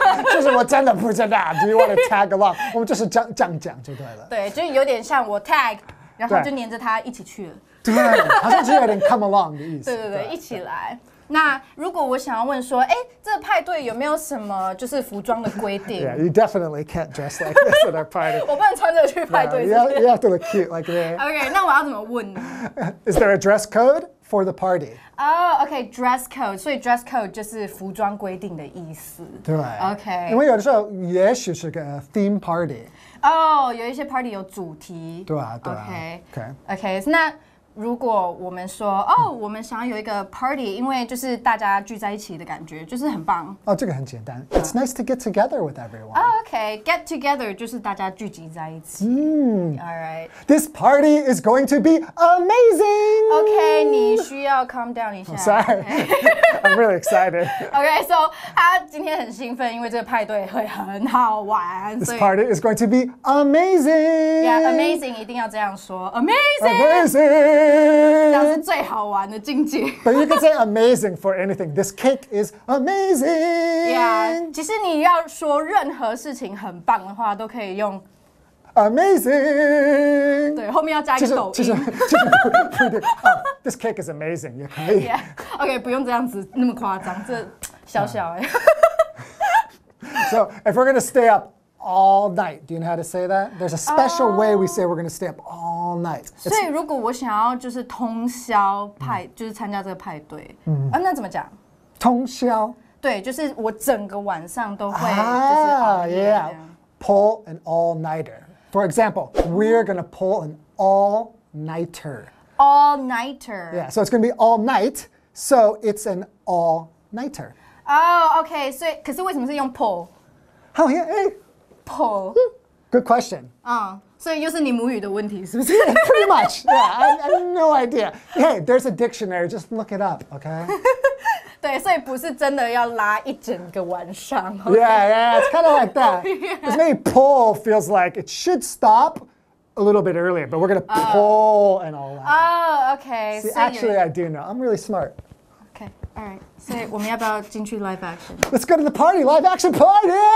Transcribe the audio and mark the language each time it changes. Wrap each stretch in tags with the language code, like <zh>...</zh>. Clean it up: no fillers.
<zh>就是我真的不知道</zh> <en>Do you want to tag along?</en> <zh>我们就是这样讲就对了对就有点像我 tag 然后就黏着他一起去了对好像就有点</zh> <en>come along</en> <zh>的意思对对 对一起来那如果我想要问说哎，这个派对有没有什么就是服装的规定</zh> <en>Yeah, you definitely can't dress like this at our party</en> <zh>我不能穿着去派对</zh> <en>yeah, you have to look cute like that</en> <zh>OK, 那我要怎么问呢</zh> <en>Is there a dress code? For the party. Oh, okay, dress code. So dress code</en> <zh>就是服装规定的意思。对。</zh> <en>Okay.</en> <zh>因为有的时候也许是个</zh> <en>theme party.</en> <zh>Oh, 有一些 party 有主题。对啊，对啊。</zh> <en>Okay. Okay. Okay.</en> <zh>那如果我们说，哦，我们想要有一个 party， 因为就是大家聚在一起的感觉，就是很棒。哦，这个很简单。</zh> <en>It's nice to get together with everyone. Oh, okay. Get together</en> <zh>就是大家聚集在一起。</zh> <en>All right. This party is going to be amazing.</en> <zh>Okay, 你需要</zh> <en>calm down</en> <zh>一下。</zh> <en>Sorry. I'm really excited.</en> <zh>Okay, so 他今天很兴奋，因为这个派对会很好玩。</zh> <en>This party is going to be amazing. Yeah, amazing</en> <zh>一定要这样说。</zh> <en>Amazing. Amazing.</en> <zh>这样是最好玩的境界</zh> <en>But you can say amazing for anything This cake is amazing</en> <zh>Yeah, 其实你要说任何事情很棒的话都可以用</zh> <en>Amazing</en> <zh>对后面要加一个抖音</zh> <en>This cake is amazing</en> <zh>也可以 yeah, OK 不用这样子那么夸张这小小耶、</zh> <en>So if we're going to stay upAll night. Do you know how to say that? There's a special way we say we're going to stay up all night.</en> <zh>It's, 所以如果我想要就是通宵派、就是参加这个派对、那怎么讲？通宵？对，就是我整个晚上都会就是熬夜。</zh> <en>Yeah. Pull an all-nighter. For example, we're going to pull an all-nighter. All-nighter. Yeah, so it's going to be all night. So it's an all-nighter.</en> <zh>Oh, okay. 所以可是为什么是用 pull?</zh> <en>Oh, yeah, Good question.</en> <zh>So 又是你母语的问题是不是</zh> <en>yeah, Pretty much. Yeah, I have no idea. Hey, there's a dictionary. Just look it up, okay?</en> <zh>对，所以不是真的要拉一整个晚上。</zh> <en>Okay? Yeah, yeah, it's kind of like that. Because maybe pull feels like it should stop a little bit earlier, but we're going to pull and all that. Oh, okay. See, actually, I do know. I'm really smart. All right, so we're going to go to live action. Let's go to the party, live action party!</en>